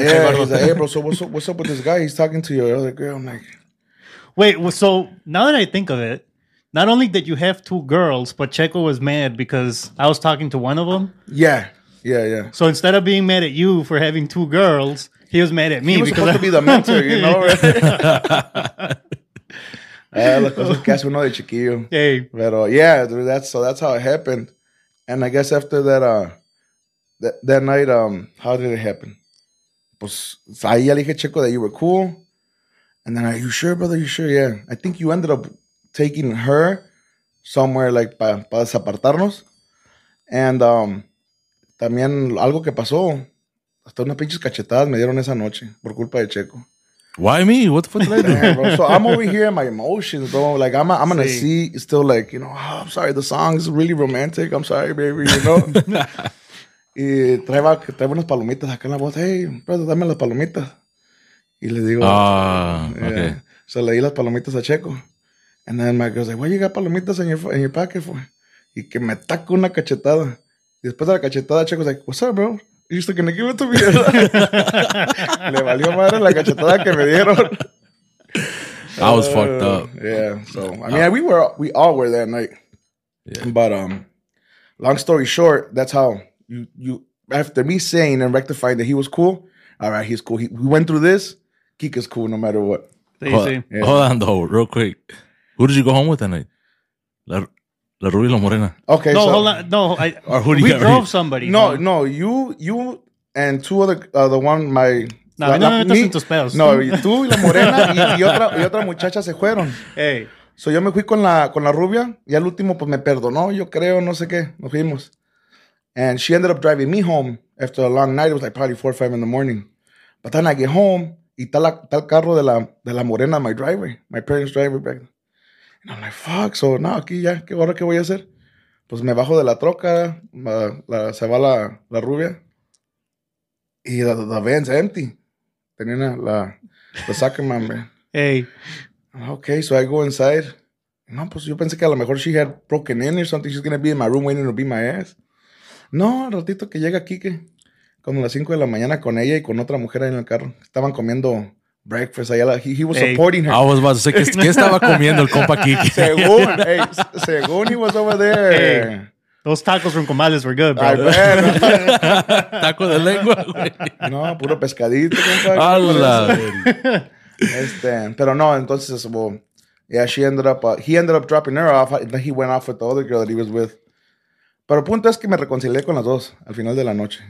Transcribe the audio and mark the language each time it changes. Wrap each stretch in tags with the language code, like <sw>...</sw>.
<en>Yeah, he's like, hey, bro, so what's up with this guy? He's talking to your other girl. I'm like. Wait, so now that I think of it, not only did you have two girls, but Checo was mad because I was talking to one of them. Yeah. Yeah, yeah. So instead of being mad at you for having two girls, he was mad at me. He was because supposed to be the mentor, you know?</en> <es>la cosa es que hace uno de chiquillo.</es> <en>Hey. Pero, yeah, that's how it happened. And I guess after that that night, how did it happen?</en> <es>Pues, ahí ya le dije,</es> <en>Checo, that you were cool. And then, are you sure, brother? You sure? Yeah. I think you ended up taking her somewhere, like,</en> <es>para desapartarnos. And, también algo que pasó, hasta unas pinches cachetadas me dieron esa noche por culpa de Checo.</es> <en>Why me? What the fuck did I do? So I'm over here in my emotions, bro. Like, I'm in a seat still, like, you know, oh, I'm sorry, the song's really romantic. I'm sorry, baby, you know?</en> <es>Y trae unas palomitas acá en la voz.</es> <en>Hey, brother,</en> <es>dame las palomitas. Y le digo,</es> <en>okay.</en> <es>So le di las palomitas a Checo.</es> <en>And then my girl's like, why you got palomitas in your pocket for?</en> <es>Y que me taco una cachetada. Después de la cachetada,</es> <en>Checo was like, what's up, bro? You still gonna give it to me?</en> <es>Le valió madre la cachetada que me dieron.</es> <en>I was fucked up. Yeah, so, I mean, we all were that night. Yeah. But long story short, that's how you after me saying and rectifying that he was cool, all right, he's cool. We went through this. Kika's cool no matter what. Hold on, though, real quick. Who did you go home with that night?</en> <es>La Rubia y la Morena.</es> <en>Okay,</en> <es>no,</es> <en>so, hold on. No, we drove somebody. No, you and two other, the one, my...</en> <es>No, tus pedos. No, tú y la Morena y otra muchacha se fueron.</es> <en>Hey.</en> <es>So yo me fui con la Rubia y al último pues me perdonó, yo creo, no sé qué, nos fuimos.</es> <en>And she ended up driving me home after a long night. It was like probably 4 or 5 in the morning. But then I get home</en> <es>y tal carro de la Morena,</es> <en>my driver, my parents' driver back. And I'm like, fuck, so</en> <es>no, aquí ya, ¿qué ahora qué voy a hacer? Pues me bajo de la troca, se va la Rubia, y</es> <en>the van's empty.</en> <es>Tenía la Zuckerman, man.</es> <en>Hey. Okay, so I go inside.</en> <es>No, pues yo pensé que a lo mejor</es> <en>she had broken in or something, she's gonna be in my room waiting to beat my ass.</en> <es>No, al ratito que llega Kike, como a las 5 de la mañana con ella y con otra mujer ahí en el carro. Estaban comiendo</es> <en>breakfast. He was supporting her. I was about to say,</en> <es>¿qué estaba comiendo el compa Kike? Según</es> <en>he was over there. Hey, those tacos from Comales were good, bro.</en> <es>Taco de lengua, güey. No, puro pescadito, compa. Hola, pero no, entonces,</es> <en>well, yeah, he ended up dropping her off, and then he went off with the other girl that he was with.</en> <es>Pero el punto es que me reconcilié con las dos al final de la noche.</es>